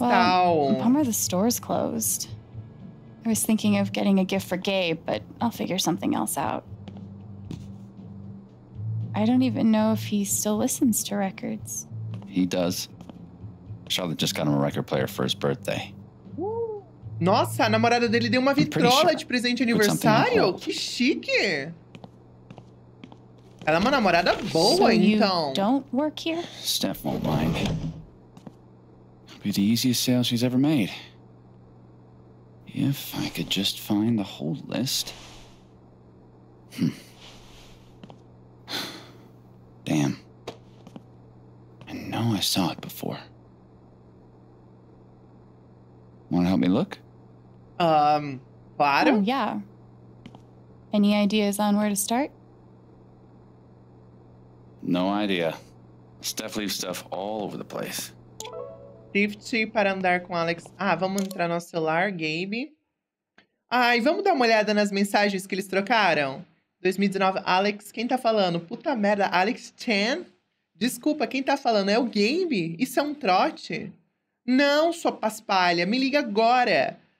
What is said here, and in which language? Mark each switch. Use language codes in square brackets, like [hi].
[en] Well, I'm bummer the store's closed. I was thinking of getting a gift for Gabe, but I'll figure something else out. I don't even know if he still listens to records. He does. Charlotte just got him a record player for his birthday. [pt] Nossa, a namorada dele deu uma vitrola de presente aniversário? Que chique! Ela é uma namorada boa, então. [en] Don't work here? Steph won't mind. It'll be the easiest sale she's ever made. If I could just find the whole list. Damn. I know I saw it before. Want to help me look? [pt] Claro. [en] Oh, yeah. Any ideas on where to start? No idea. Steph leaves stuff all over the place. [pt] Shift para andar com Alex. Ah, vamos entrar no celular, Gabe. Ai, vamos dar uma olhada nas mensagens que eles trocaram. 2019, Alex, quem tá falando? Puta merda, Alex Chan? Desculpa, quem tá falando? É o Gabe? Isso é um trote? Não, sua paspalha, me liga agora.